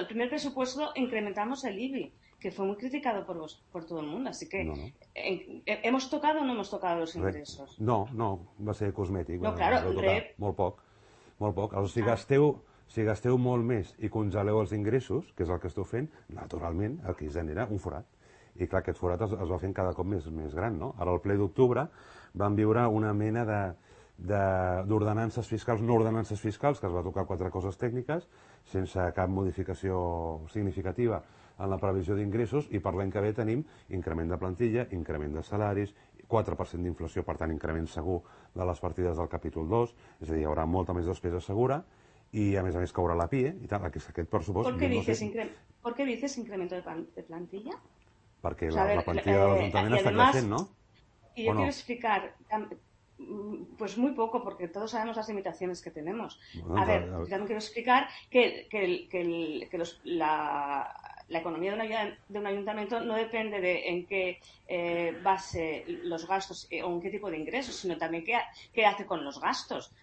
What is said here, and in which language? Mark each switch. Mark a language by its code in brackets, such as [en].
[es] El primer pressupost incrementamos el IBI, que fue muy criticado por todo el mundo. Así que, ¿hemos tocado o no hemos tocado los ingresos? [ca] No, va ser cosmètic. [es] No, claro, [ca] Molt poc. Aleshores, si gasteu molt més i congeleu els ingressos, que és el que esteu fent, naturalment, aquí genera un forat. I clar, aquest forat es va fent cada cop més gran, no? Ara, al ple d'octubre, vam viure una mena d'ordenances fiscals, no ordenances fiscals, que es va tocar quatre coses tècniques, sense cap modificació significativa en la previsió d'ingressos, i per l'any que ve tenim increment de plantilla, increment de salaris, 4% d'inflació, per tant, increment segur de les partides del capítol 2, és a dir, hi haurà molta més despesa segura, i a més caurà la PIE, i tal, aquest pressupost... [es] ¿Por qué dices incremento de plantilla? [ca] Perquè la plantilla de l'Ajuntament està creixent, no? [es] Y yo quiero explicar... Pues muy poco, porque todos sabemos las limitaciones que tenemos. A ver, también quiero explicar que la economía de un ayuntamiento no depende de en qué base los gastos o en qué tipo de ingresos, sino también qué hace con los gastos.